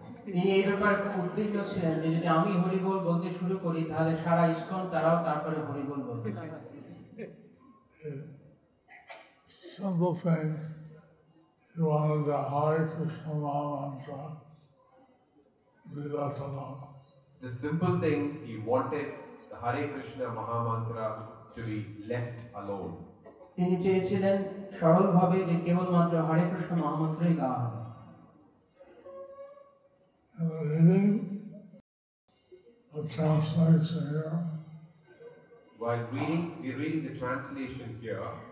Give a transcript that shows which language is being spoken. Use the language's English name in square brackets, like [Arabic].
[Bangla] তিনি এই ব্যাপারে খুব উদ্বিগ্ন ছিলেন যে যদি আমি হরিবল বলতে শুরু করি তাহলে সারা ইসকন তারাও তারপরে হরিবল বলবে. [English] Simple thing. He wanted the Hare Krishna mantra to be left alone. The simple thing he wanted the Hare Krishna Mahamantra to be left alone. [Bangla] তিনি চেয়েছিলেন সরলভাবে যে কেবলমাত্র হরে কৃষ্ণ মহামন্ত্রই গাওয়া হবে. [English] And the reading of translates here. While reading, we read the translation here.